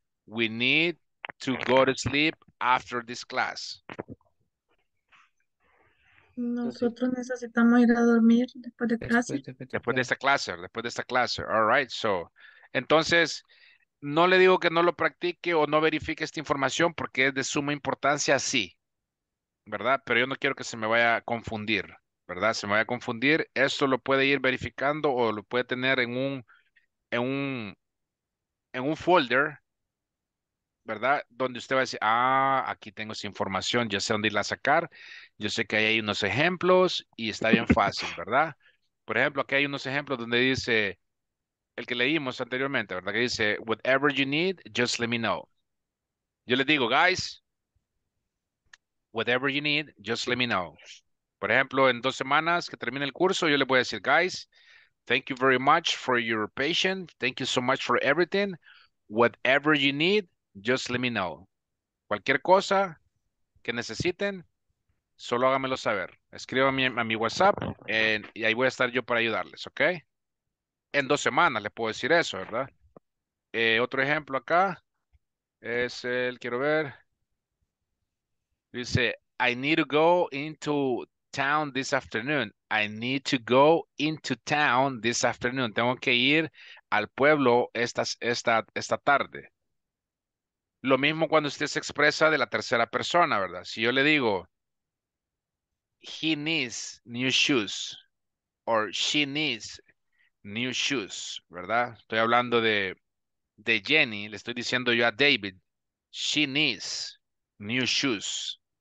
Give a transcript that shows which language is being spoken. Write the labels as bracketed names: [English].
[English] We need to go to sleep after this class. [Spanish] Nosotros necesitamos ir a dormir después de clase. Después de esta clase. All right, so. Entonces, no le digo que no lo practique o no verifique esta información porque es de suma importancia, sí. ¿Verdad? Pero yo no quiero que se me vaya a confundir. ¿Verdad? Se me vaya a confundir. Esto lo puede ir verificando o lo puede tener en un folder, ¿verdad? Donde usted va a decir, ah, aquí tengo esa información, ya sé dónde irla a sacar. Yo sé que ahí hay unos ejemplos y está bien fácil, ¿verdad? Por ejemplo, aquí hay unos ejemplos donde dice, el que leímos anteriormente, ¿verdad? Que dice, [English] whatever you need, just let me know. [Spanish] Yo les digo, [English] guys, whatever you need, just let me know. [Spanish] Por ejemplo, en 2 semanas que termine el curso, yo les voy a decir, guys, [English] thank you very much for your patience. Thank you so much for everything. Whatever you need, just let me know. [Spanish] Cualquier cosa que necesiten, solo háganmelo saber. Escriban a mi WhatsApp y ahí voy a estar yo para ayudarles, ¿ok? En 2 semanas les puedo decir eso, ¿verdad? Otro ejemplo acá es el, quiero ver. [English] Dice, I need to go into town this afternoon. I need to go into town this afternoon. [Spanish] Tengo que ir al pueblo esta tarde. Lo mismo cuando usted se expresa de la tercera persona, ¿verdad? Si yo le digo, [English] he needs new shoes, or she needs new shoes, ¿verdad? [Spanish] Estoy hablando de Jenny, le estoy diciendo yo a David, [English] she needs new shoes.